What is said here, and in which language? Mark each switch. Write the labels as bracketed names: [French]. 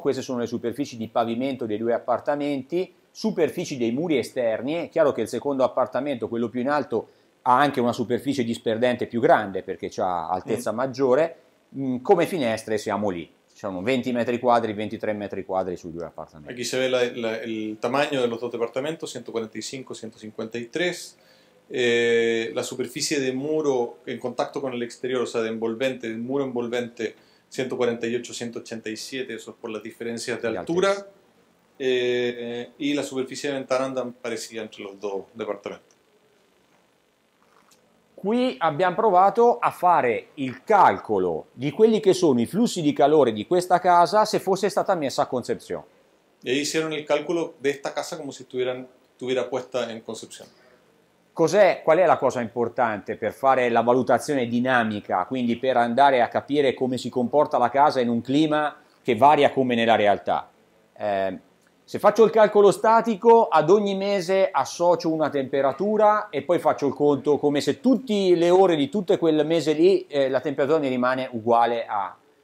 [Italian] Queste sono le superfici di pavimento dei due appartamenti, superfici dei muri esterni. È chiaro che il secondo appartamento, quello più in alto, ha anche una superficie disperdente più grande, perché ha altezza maggiore. Come finestre siamo lì. diciamo, 20 metri quadri, 23 metri quadri sui due appartamenti. [Spanish] Aquí se ve el tamaño de los dos departamentos, 145-153. La superficie de muro en contacto con el exterior, o sea, de envolvente, de muro envolvente, 148-187, eso es por las diferencias de altura. Y la superficie de ventana andan parecida entre los dos departamentos. [Italian] Qui abbiamo provato a fare il calcolo di quelli che sono i flussi di calore di questa casa se fosse stata messa a Concepción. [Spanish] E hicieron el cálculo de esta casa como si estuviera puesta en Concepción. [Italian] Qual è la cosa importante per fare la valutazione dinamica, quindi per andare a capire come si comporta la casa in un clima che varia come nella realtà? Se faccio il calcolo statico, ad ogni mese associo una temperatura e poi faccio il conto come se tutte le ore di tutto quel mese lì la temperatura mi rimane uguale a...